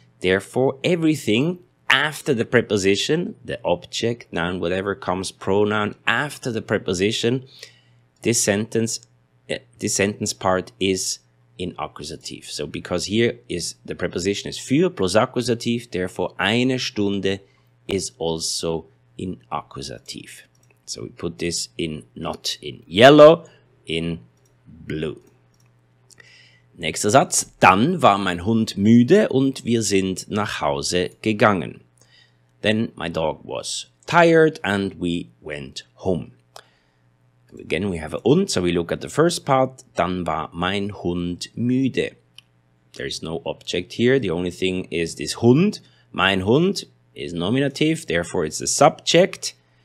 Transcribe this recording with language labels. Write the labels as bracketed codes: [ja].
[en] Therefore, everything after the preposition, the object, noun, whatever comes, pronoun, after the preposition, this sentence part is in accusative. So because here is the preposition is für plus accusative, therefore eine Stunde is also in accusative. So we put this in, not in yellow, in blue. [de] Nächster Satz. Dann war mein Hund müde und wir sind nach Hause gegangen. [en] Then my dog was tired and we went home. Again we have a und, so we look at the first part. [de] Dann war mein Hund müde. [en] There is no object here. The only thing is this Hund. Mein Hund is nominative, therefore it's the subject.